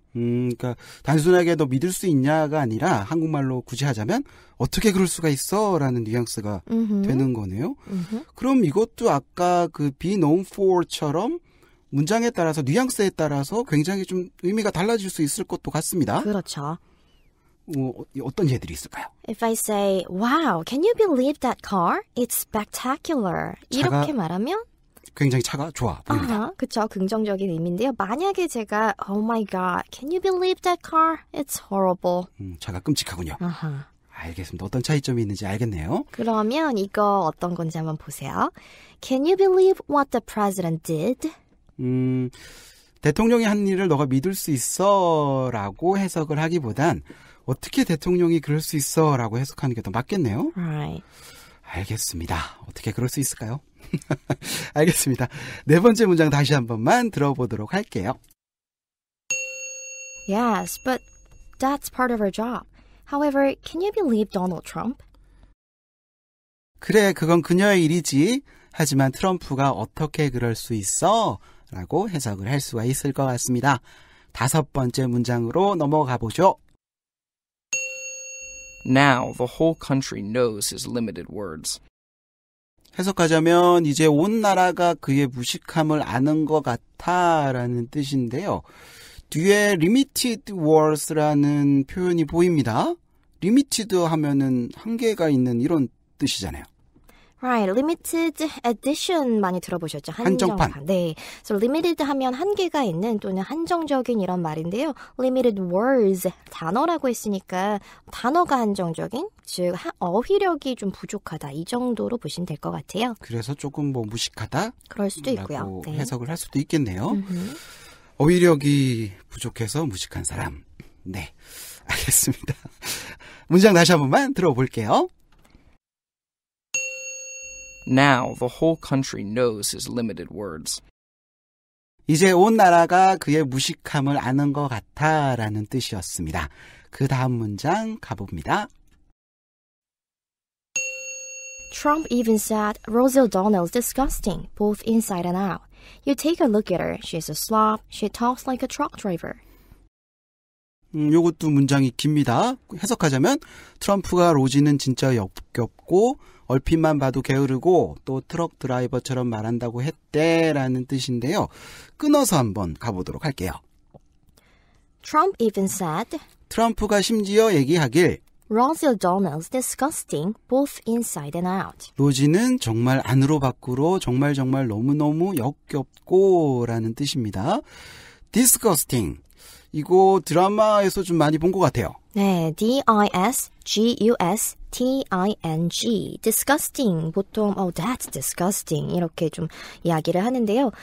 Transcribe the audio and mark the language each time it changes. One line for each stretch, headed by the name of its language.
Korean: 그러니까 단순하게 너 믿을 수 있냐가 아니라 한국말로 굳이 하자면 어떻게 그럴 수가 있어? 라는 뉘앙스가 되는 거네요. 그럼 이것도 아까 그 be known for처럼 문장에 따라서 뉘앙스에 따라서 굉장히 좀 의미가 달라질 수 있을 것도 같습니다. 그렇죠. 어떤 예들이 있을까요?
English: If I say, wow, can you believe that car? It's spectacular.
Korean: 이렇게 말하면? 굉장히 차가 좋아 보입니다. 그렇죠. 긍정적인 의미인데요. 만약에 제가,
English: oh my god, can you believe that car? It's horrible.
Korean: 차가 끔찍하군요. 알겠습니다. 어떤 차이점이 있는지 알겠네요. 그러면 이거 어떤 건지 한번 보세요.
English: Can you believe what the president did?
Korean: 대통령이 한 일을 너가 믿을 수 있어? 라고 해석을 하기보단 어떻게 대통령이 그럴 수 있어? 라고 해석하는 게 더 맞겠네요.
English: Right.
Korean: 알겠습니다. 어떻게 그럴 수 있을까요? 알겠습니다. 네 번째 문장 다시 한 번만 들어보도록 할게요.
English: Yes, but that's part of our job. However, can you believe Donald Trump?
Korean: 그래, 그건 그녀의 일이지. 하지만 트럼프가 어떻게 그럴 수 있어? 라고 해석을 할 수가 있을 것 같습니다. 다섯 번째 문장으로 넘어가 보죠.
English: Now the whole country knows his limited words.
Korean: 해석하자면 이제 온 나라가 그의 무식함을 아는 것 같아라는 뜻인데요. 뒤에 limited words라는 표현이 보입니다. limited 하면은 한계가 있는 이런 뜻이잖아요.
English: Right, limited edition
Korean: 많이 들어보셨죠? 한정판. 한정판. 네, so limited 하면 한계가 있는 또는 한정적인 이런 말인데요. limited words, 단어라고 했으니까 단어가 한정적인, 즉 어휘력이 좀 부족하다, 이 정도로 보시면 될 것 같아요. 그래서 조금 뭐 무식하다? 그럴 수도 있고요. 라고 네. 해석을 할 수도 있겠네요. 어휘력이 부족해서 무식한 사람. 네, 알겠습니다. 문장 다시 한 번만 들어볼게요.
English: Now the whole country knows his limited words.
Korean: 이제 온 나라가 그의 무식함을 아는 것 같아라는 뜻이었습니다. 그 다음 문장 가봅니다.
English: Trump even said Rosie O'Donnell is disgusting, both inside and out. You take a look at her. She's a slob. She talks like a truck driver.
Korean: 이것도 문장이 깁니다. 해석하자면 트럼프가 로지는 진짜 역겹고 얼핏만 봐도 게으르고 또 트럭 드라이버처럼 말한다고 했대라는 뜻인데요. 끊어서 한번 가보도록 할게요.
English: Trump even said
Korean: 트럼프가 심지어 얘기하길
English: Rosie O'Donnell is disgusting both inside and out.
Korean: 로지는 정말 안으로 밖으로 정말 정말 너무너무 역겹고 라는 뜻입니다. disgusting 이거 드라마에서 좀 많이 본 것 같아요. 네, D-I-S-G-U-S-T-I-N-G, disgusting, 보통
English: oh, that's disgusting,
Korean: 이렇게 좀 이야기를 하는데요.